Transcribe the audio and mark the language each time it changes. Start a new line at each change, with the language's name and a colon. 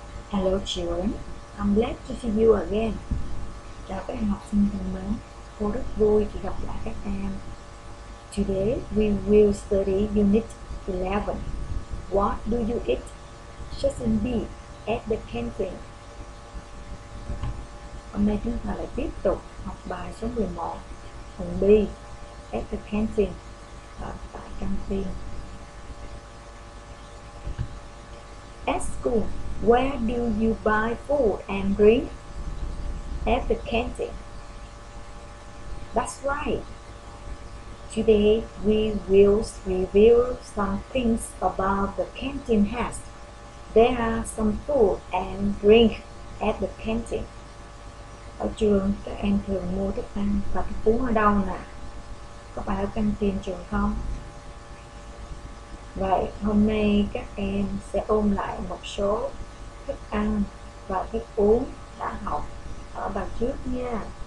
English: Hello Chiều, I'm glad to see you again.
Vietnamese: Chào các em học sinh thân mến, cô rất vui khi gặp lại các em.
English: Today we will study Unit 11. What do you eat? Session B at the canteen.
Vietnamese: Hôm nay chúng ta lại tiếp tục học bài số 11, phần B
English: at the canteen,
Vietnamese: tại canteen.
English: At school, where do you buy food and drink? At the canteen. That's right. Today we will reveal some things about the canteen has. There are some food and drink at the canteen.
Vietnamese: Ở trường các em thường mua thức ăn và thức uống ở đâu nè? Có phải ở canteen trường không? Vậy hôm nay các em sẽ ôn lại một số thức ăn và thức uống đã học ở bài trước nha.